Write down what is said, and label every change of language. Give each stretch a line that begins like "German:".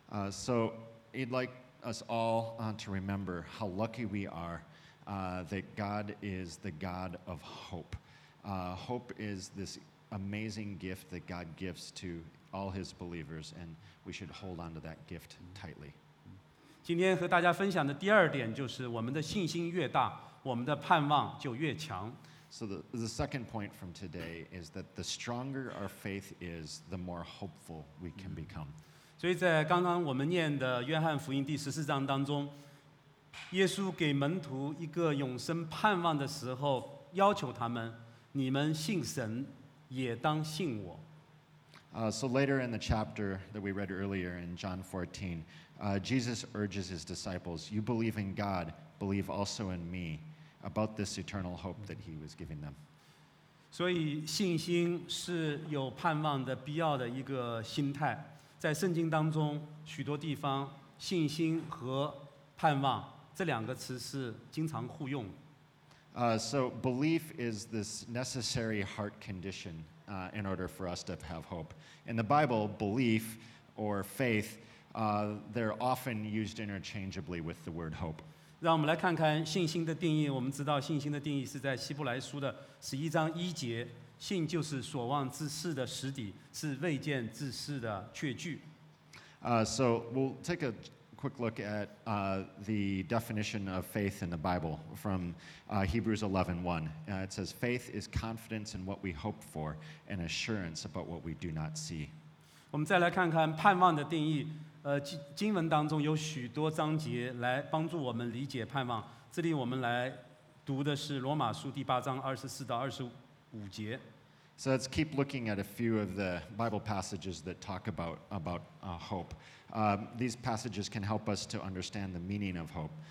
English: So he'd like us all to remember how lucky we are that God is the God of hope. Hope is this amazing gift that God gives to all his believers, and we should hold on to that gift tightly.
Chinese: 今天和大家分享的第二点就是我们的信心越大，我们的盼望就越强。
English: So the second point from today is that the stronger our faith is, the more hopeful we can become.
Chinese: 所以在刚刚我们念的约翰福音第十四章当中，耶稣给门徒一个永生盼望的时候，要求他们，你们信神，也当信我。
English: So later in the chapter that we read earlier in John 14, Jesus urges his disciples, you believe in God, believe also in me, about this eternal hope that he was giving them.
Chinese: 所以信心是有盼望的必要的一个心态。在圣经当中，许多地方信心和盼望这两个词是经常互用。
English: So belief is this necessary heart condition in order for us to have hope. In the Bible, belief or faith, they're often used interchangeably with the word hope.
Chinese: 让我们来看看信心的定义。我们知道信心的定义是在希伯来书的十一章一节。信就是所望之事的实底，是未见之事的确据。
English: So we'll take a quick look at the definition of faith in the Bible from Hebrews 11:1. It says, faith is confidence in what we hope for and assurance about what we do not see.
Chinese: 我们再来看看盼望的定义。经文当中有许多章节来帮助我们理解盼望。这里我们来读的是罗马书第八章24-25。
English: So let's keep looking at a few of the Bible passages that talk about hope. These passages can help us to understand the meaning of hope.